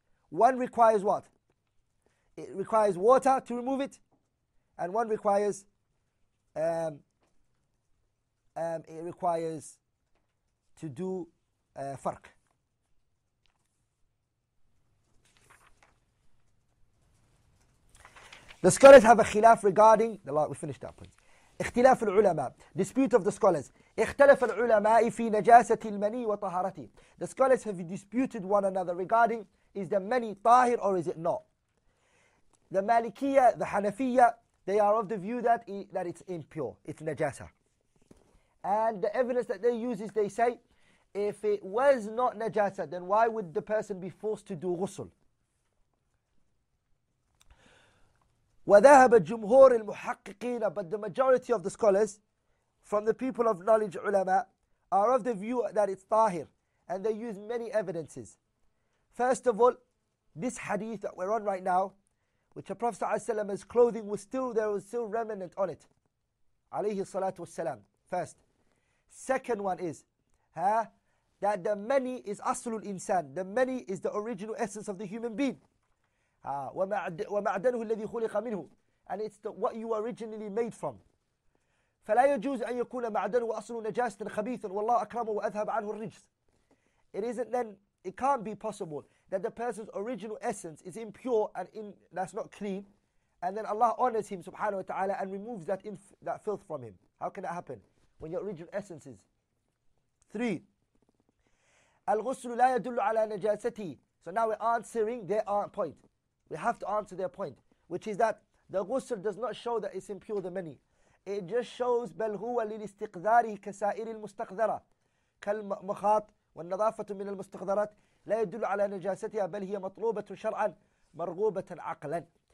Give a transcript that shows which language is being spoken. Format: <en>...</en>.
<en>One requires what? It requires water to remove it, and one requires it requires to do farq. The scholars have a khilaf regarding the law. We finished that point.</en> <ar>اختلاف العلماء,</ar> <en>dispute of the scholars.</en> <ar>اختلف العلماء في نجاسة المني وطهارته.</ar> <en>The scholars have disputed one another regarding, is the many tahir or is it not? The Malikiyya, the Hanafiyya, they are of the view that it's impure, it's najasa. And the evidence that they use is, they say, if it was not najasa, then why would the person be forced to do ghusl?</en> <ar>وَذَهَبَ جُمْهُورِ الْمُحَقِّقِينَ,</ar> <en>but the majority of the scholars, from the people of knowledge, ulama, are of the view that it's tahir, and they use many evidences. First of all, this hadith that we're on right now, which the Prophet ﷺ's clothing was still, there was still remnant on it. Alayhi salatu wassalam, first. Second one is, that the many is aslul insan, the many is the original essence of the human being.</en> <ar>ومعدنه الذي خلق منه,</ar> <en>and it's the, what you originally made from.</en> <ar>فلا يجوز أن يكون معدنه أصل نجاسة خبيثة والله أكرمه وأذهب عنه الرجس.</ar> <en>It isn't then, it can't be possible that the person's original essence is impure and that's not clean, and then Allah honors him subhanahu wa ta'ala and removes that filth from him. How can that happen when your original essence is?</en> <ar>Three, الغسل لا يدل على نجاسته.</ar> <en>So now we're answering their point. We have to answer their point, which is that the ghusl does not show that it's impure, the many. It just shows,</en> <ar>بَلْ هُوَ لِلِاسْتِقْذَارِهِ كَسَائِرِ الْمُسْتَقْذَرَةِ كَالْمُخَاطِ وَالنَّظَافَةُ مِنَ الْمُسْتَقْذَرَةِ لَا يَدُلُّ عَلَى نَجَاسَتِهَا بَلْ هِيَ مَطْلُوبَةٌ شَرْعًا مَرْغُوبَةً عَقْلًا.</ar>